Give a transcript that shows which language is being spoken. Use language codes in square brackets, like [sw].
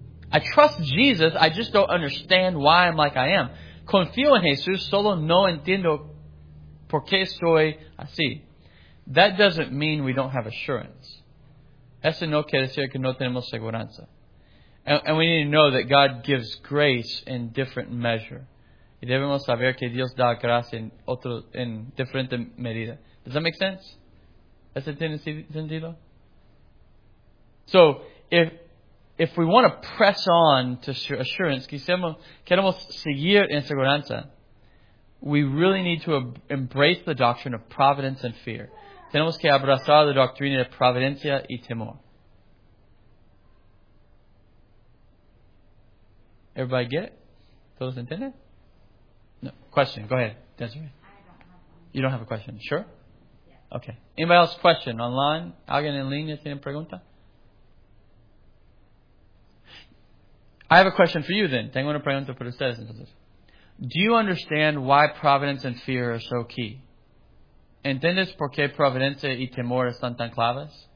[en] I trust Jesus, I just don't understand why I'm like I am. [es] Confío en Jesús, solo no entiendo por qué soy así. [en] That doesn't mean we don't have assurance. [es] Eso no quiere decir que no tenemos seguridad. [en] And we need to know that God gives grace in different measure. [es] Y debemos saber que Dios da gracia en diferente medida. [en] Does that make sense? [es] ¿Eso tiene sentido? [en] So, if we want to press on to assurance, [es] queremos seguir en seguridad, [en] we really need to embrace the doctrine of providence and fear. [es] Tenemos que abrazar la doctrina de providencia y temor. [en] Everybody get it? [es] ¿Todos entienden? [en] No. Question. Go ahead. Desiree. I don't have you don't have a question. Sure? Yeah. Okay. Anybody else question? Online? [es] ¿Alguien en línea tiene pregunta? [en] I have a question for you then. [es] Tengo una pregunta para ustedes entonces. [en] Do you understand why providence and fear are so key? [es] ¿Entiendes por qué providencia y temor están tan claves?